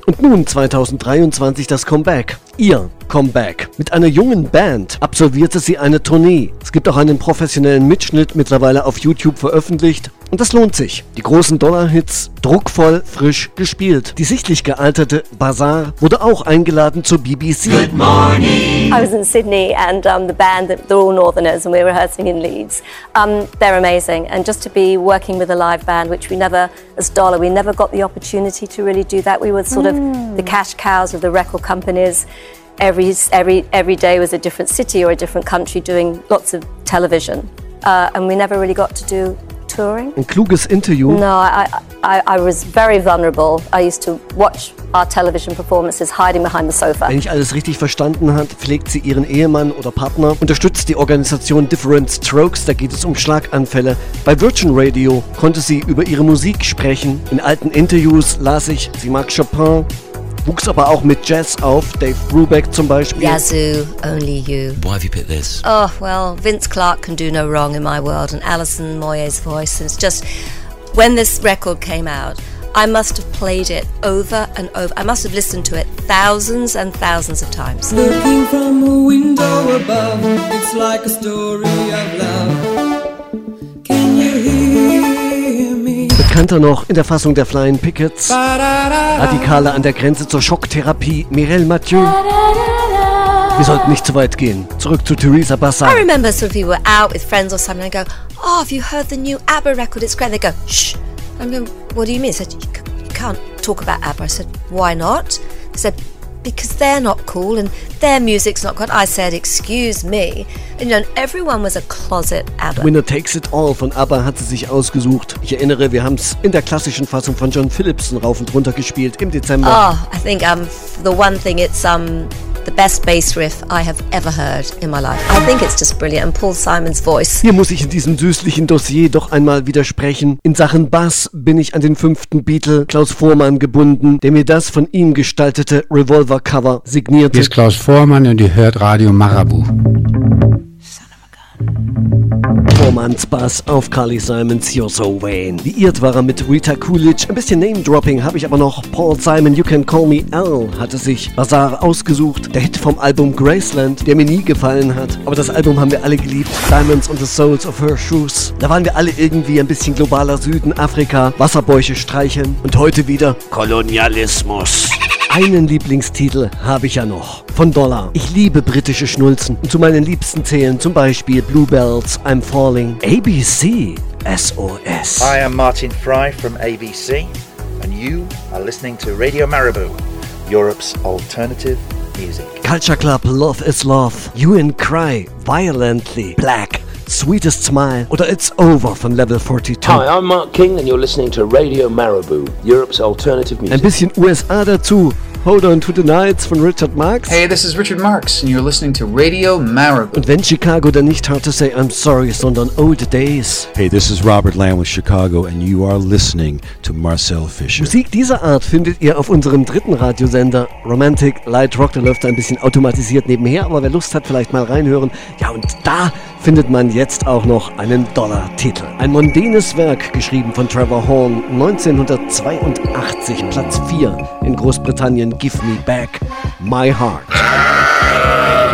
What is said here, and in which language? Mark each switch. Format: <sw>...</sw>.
<de>Und nun 2023 das Comeback. Ihr Comeback. Mit einer jungen Band absolvierte sie eine Tournee. Es gibt auch einen professionellen Mitschnitt, mittlerweile auf YouTube veröffentlicht. Und das lohnt sich. Die großen Dollarhits, druckvoll, frisch gespielt. Die sichtlich gealterte Bazaar wurde auch eingeladen zur BBC.</de> <en>Good morning. I was in Sydney and the band, they're all Northerners and we're rehearsing in Leeds. They're amazing. And just to be working with a live band, which we never, as Dollar, we never got the opportunity to really do that. We were sort of the cash cows of the record companies. Every day was a different city or a different country doing lots of television. And we never really got to do touring.</en> <de>Ein kluges Interview.</de> <en>No, I was very vulnerable. I used to watch our television performances hiding behind the sofa.</en> <de>Wenn ich alles richtig verstanden habe, pflegt sie ihren Ehemann oder Partner, unterstützt die Organisation Different Strokes, da geht es um Schlaganfälle. Bei Virgin Radio konnte sie über ihre Musik sprechen. In alten Interviews las ich, sie mag Chopin, wuchs aber auch mit Jazz auf, Dave Brubeck zum Beispiel.</de> <en>Yazoo, only you. Why have you picked this? Oh, well, Vince Clarke can do no wrong in my world and Alison Moyet's voice is just... When this record came out, I must have played it over and over. I must have listened to it thousands and thousands of times. Looking from a window above, it's like a story of love. Can you hear me?</en> <de>Bekannter noch in der Fassung der Flying Pickets. Radikaler an der Grenze zur Schocktherapie, Mireille Mathieu. Wir sollten nicht zu weit gehen. Zurück zu Teresa Bassin.</de> <en>I remember some of you were out with friends or something and go, oh, have you heard the new ABBA record? It's great. They go, shh. I'm going, what do you mean? They said, you can't talk about ABBA. I said, why not? They said, because they're not cool and their music's not good. I said, excuse me. And, you know, everyone was a closet ABBA.</en> <de>Winner Takes It All von ABBA hat sie sich ausgesucht. Ich erinnere, wir haben es in der klassischen Fassung von John Philipson rauf und runter gespielt im Dezember.</de> <en>Oh, I think the one thing it's... the best bass riff I have ever heard in my life. I think it's just brilliant. And Paul Simon's voice.</en> <de>Hier muss ich in diesem süßlichen Dossier doch einmal widersprechen. In Sachen Bass bin ich an den fünften Beatle Klaus Voormann gebunden, der mir das von ihm gestaltete Revolver Cover signierte. Hier ist Klaus Voormann und ihr hört Radio Marabu. Voormanns Bass auf Carly Simons You're So Vain. Liiert war er mit Rita Coolidge. Ein bisschen Name-Dropping habe ich aber noch. Paul Simon, You Can Call Me Al, hatte sich Bazaar ausgesucht. Der Hit vom Album Graceland, der mir nie gefallen hat. Aber das Album haben wir alle geliebt.</de> <en>Diamonds on the Soles of Her Shoes.</en> <de>Da waren wir alle irgendwie ein bisschen globaler Süden, Afrika, Wasserbäuche streicheln. Und heute wieder Kolonialismus. Einen Lieblingstitel habe ich ja noch. Von Dollar. Ich liebe britische Schnulzen. Und zu meinen Liebsten zählen zum Beispiel Bluebells, I'm Falling, ABC, SOS.</de> <en>I am Martin Fry from ABC. And you are listening to Radio Marabu, Europe's alternative music. Culture Club, Love is Love. You and Cry, Violently, Black, Sweetest Smile.</en> <de>Oder It's Over von Level 42.</de> <en>Hi, I'm Mark King and you're listening to Radio Marabu, Europe's alternative music.</en> <de>Ein bisschen USA dazu. Hold On to the Nights von Richard Marx.</de> <en>Hey, this is Richard Marx and you're listening to Radio Marabu.</en> <de>Und wenn Chicago, dann nicht Hard to Say I'm Sorry, sondern Old Days.</de> <en>Hey, this is Robert Lamb with Chicago and you are listening to Marcel Fischer.</en> <de>Musik dieser Art findet ihr auf unserem dritten Radiosender Romantic Light Rock. Der läuft da ein bisschen automatisiert nebenher, aber wer Lust hat, vielleicht mal reinhören. Ja, und da findet man jetzt auch noch einen Dollar-Titel. Ein mondänes Werk, geschrieben von Trevor Horn, 1982, Platz 4 in Großbritannien, Give Me Back My Heart.</de>